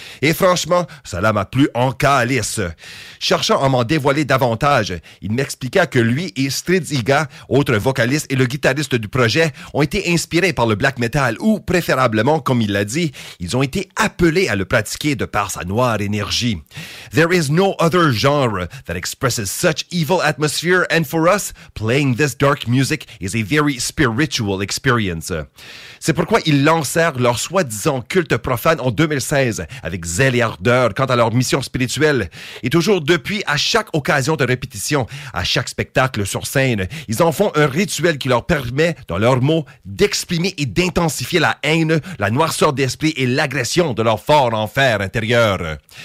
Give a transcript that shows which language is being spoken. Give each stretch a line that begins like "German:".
French: Et franchement, cela m'a plu en calice. Cherchant à m'en dévoiler davantage, il m'expliqua que lui et Strid Higa, autre vocaliste et le guitariste du projet, ont été inspirés par le black metal ou, préférablement, comme il l'a dit, ils ont été appelés à le pratiquer de par sa noire énergie.
English: There is no other genre that expresses such evil atmosphere, and for us, playing this dark music is a very spiritual experience.
French: C'est pourquoi ils lancèrent leur soi-disant culte profane en 2016 avec zèle et ardeur quant à leur mission spirituelle. Et toujours depuis, à chaque occasion de répétition, à chaque spectacle sur scène, ils en font un rituel qui leur permet, dans leurs mots, d'exprimer et d'intensifier la haine, la noirceur d'esprit et l'agression de leur fort enfer intérieur.